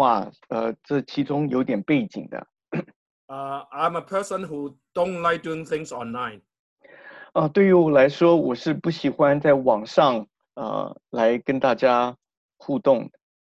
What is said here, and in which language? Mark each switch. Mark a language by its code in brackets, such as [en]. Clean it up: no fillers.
[zh] 那在我们既然今天其实是用Zoom的话，这其中有点背景的。 [en] I'm a person who don't like doing things online. [zh] 对于我来说，我是不喜欢在网上来跟大家互动的。